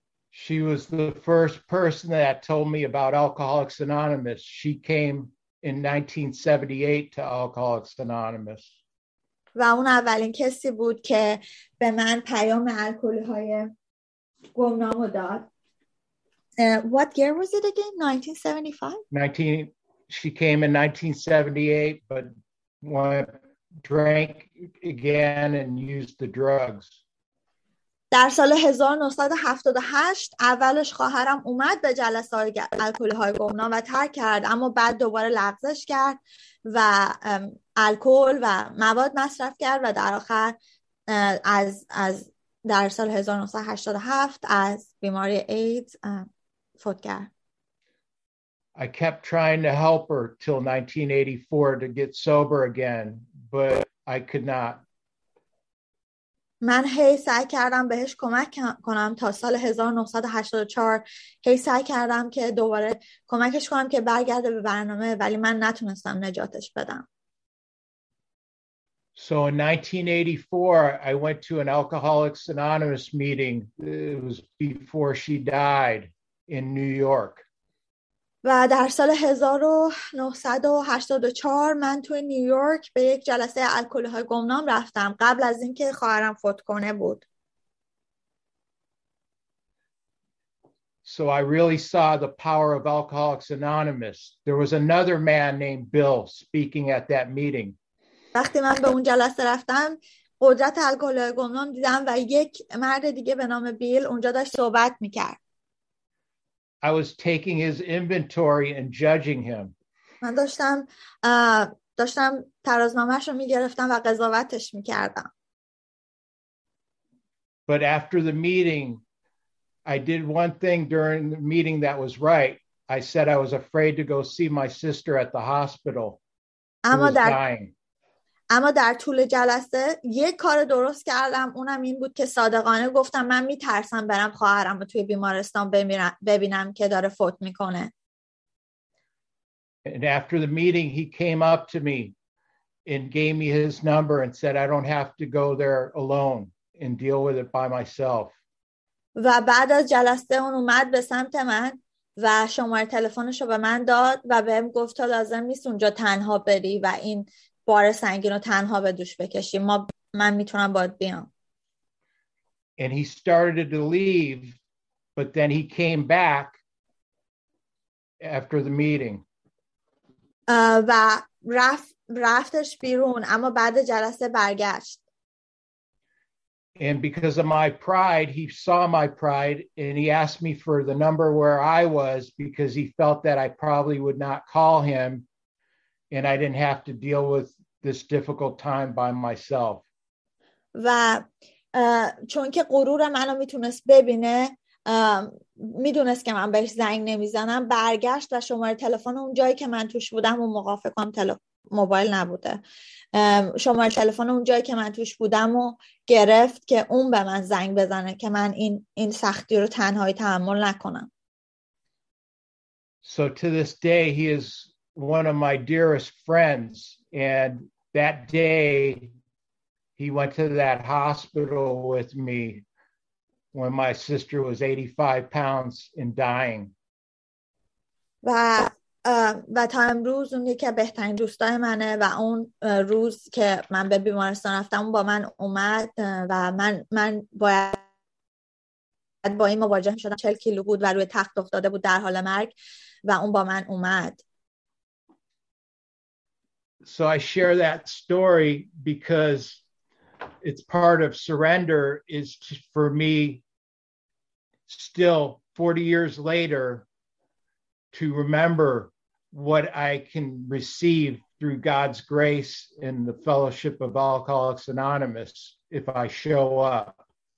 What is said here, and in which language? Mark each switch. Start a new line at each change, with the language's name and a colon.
English: She was the first person that told me about Alcoholics Anonymous. She came in 1978 to Alcoholics Anonymous.
Persian: و اون اولین کسی بود که به من پیام الکلی‌های گمنام داد.
English: What year was it again? 1975? She came in 1978, but drank again and used the drugs.
Persian: در سال 1978 اولش خواهرم اومد به جلسه الکلی های گمنام و ترک کرد، اما بعد دوباره لغزش کرد و الکل و مواد مصرف کرد و در آخر از در سال 1987 از بیماری ایدز فوت کرد.
English: I kept trying to help her till 1984 to get sober again, but I could not.
Persian: من هی سعی کردم بهش کمک کنم تا سال 1984 هی سعی کردم که دوباره کمکش کنم که برگرده به برنامه ولی من نتونستم نجاتش بدم.
English: So in 1984, I went to an Alcoholics Anonymous meeting. It was before she died in New York.
Persian: و در سال 1984 من توی نیویورک به یک جلسه الکل‌های گمنام رفتم قبل از اینکه خواهرم فوت کنه بود.
English: So I really saw the power of Alcoholics Anonymous. There was another man named Bill speaking at that meeting.
Persian: وقتی من به اون جلسه رفتم قدرت الکل‌های گمنام دیدم و یک مرد دیگه به نام بیل اونجا داشت صحبت می‌کرد.
English: I was taking his inventory and judging him.
Persian: من داشتم ترازنامه‌اش رو می‌گرفتم و قضاوتش می‌کردم.
English: But after the meeting, I did one thing during the meeting that was right. I said I was afraid to go see my sister at the hospital.
Persian: اما در طول جلسه یک کار درست کردم اونم این بود که صادقانه گفتم من میترسم برم خواهرم رو توی بیمارستان ببینم که داره فوت میکنه.
English: And after the meeting he came up to me and gave me his number and said I don't have to go there alone and deal with it by myself.
Persian: و بعد از جلسه اون اومد به سمت من و شماره تلفنشو به من داد و بهم گفت تا لازم نیست اونجا تنها بری و این بار سنگین رو تنها به دوش بکشیم. من میتونم باید بیام.
English: And he started to leave, but then he came back after the meeting.
Persian: و رفتش بیرون اما بعد جلسه برگشت.
English: And because of my pride, he saw my pride and he asked me for the number where I was because he felt that I probably would not call him and I didn't have to deal with this difficult time by myself.
Persian: و چون که غرور منو میتونست ببینه میدونست که من بهش زنگ نمیزنم برگشت و شماره تلفن اون جایی که من توش بودم و موافقم موبایل نبوده شماره تلفن اون جایی که من توش بودم و گرفت که اون به من زنگ بزنه که من این سختی رو تنهایی تحمل نکنم.
English: So to this day he is one of my dearest friends. And that day, he went to that hospital with me when my sister was 85 pounds and dying.
Persian: و تا امروز اون یکی بهترین دوستای منه و اون روز که من به بیمارستان رفتم اون با من اومد و من باید با این مواجه شدم 40 کیلو بود و روی تخت افتاده بود در حال مرگ و اون با من اومد.
English: So I share that story because it's part of surrender is for me still 40 years later to remember what I can receive through God's grace in the fellowship of Alcoholics Anonymous if I show up.